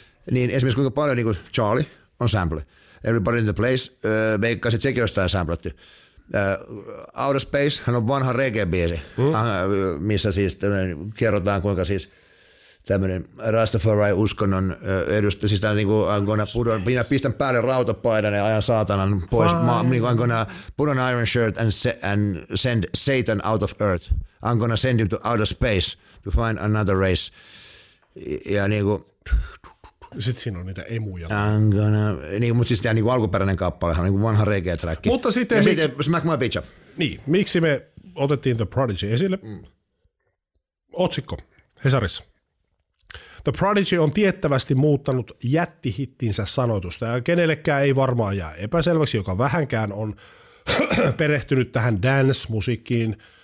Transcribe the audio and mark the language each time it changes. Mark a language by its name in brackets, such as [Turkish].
[Finnish] Niin esimerkiksi kuinka paljon niin kuin Charlie on sample. Everybody in the Place, veikkaisin, että sekin on jostain sampletty. Outer Space, hän on vanha reggae-biisi, missä siis kerrotaan, kuinka siis tämmöinen Rastafari-uskonnon edustaja, siis tämä niin kuin minä pistän päälle rautapaidan ja ajan saatanan pois. [English] I'm gonna put on iron shirt and send Satan out of earth. I'm gonna send him to outer space to find another race. [Finnish] Ja niin kuin, sitten siinä on niitä emuja. Niin, mutta siis tämä niin alkuperäinen kappale, niin kuin vanha reggae track. Mutta sitten, ja sitten Smack My Bitch Up. Niin, miksi me otettiin The Prodigy esille? Otsikko Hesarissa. The Prodigy on tiettävästi muuttanut jättihittinsä sanoitusta, ja kenellekään ei varmaan jää epäselväksi, joka vähänkään on perehtynyt tähän dance-musiikkiin.